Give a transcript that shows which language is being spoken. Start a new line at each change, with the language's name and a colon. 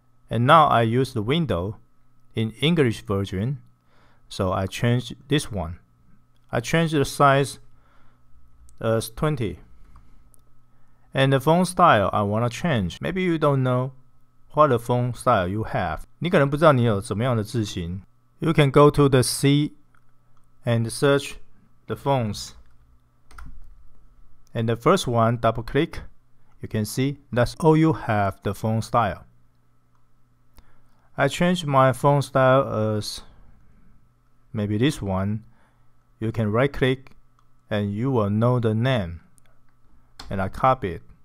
English: And now I use the Windows in English version. So I changed this one. I changed the size as 20. And the phone style I want to change. Maybe you don't know what phone style you have.
Chinese: 你可能不知道你有怎么样的字型。
English: You can go to the C and search the phones. And the first one, double click. You can see that's all you have the phone style. I changed my phone style as... Maybe this one, you can right click and you will know the name. And I copy it.